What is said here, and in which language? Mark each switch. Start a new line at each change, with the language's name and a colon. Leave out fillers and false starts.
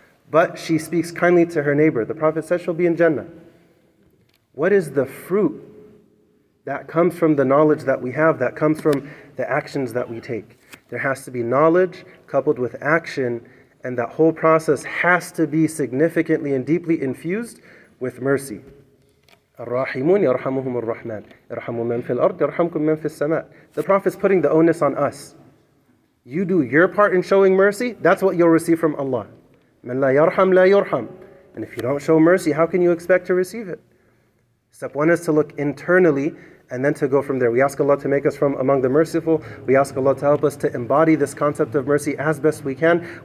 English: But she speaks kindly to her neighbor. The Prophet says she'll be in Jannah. What is the fruit that comes from the knowledge that we have, that comes from the actions that we take? There has to be knowledge coupled with action, and that whole process has to be significantly and deeply infused with mercy.
Arabic: الرحمون يرحمهم الرحمن يرحموا من في الأرض يرحمكم من في السماء.
English: The Prophet's putting the onus on us. You do your part in showing mercy, that's what you'll receive from Allah.
Arabic: من لا يرحم لا يرحم.
English: And if you don't show mercy, how can you expect to receive it? Step one is to look internally and then to go from there. We ask Allah to make us from among the merciful. We ask Allah to help us to embody this concept of mercy as best we can.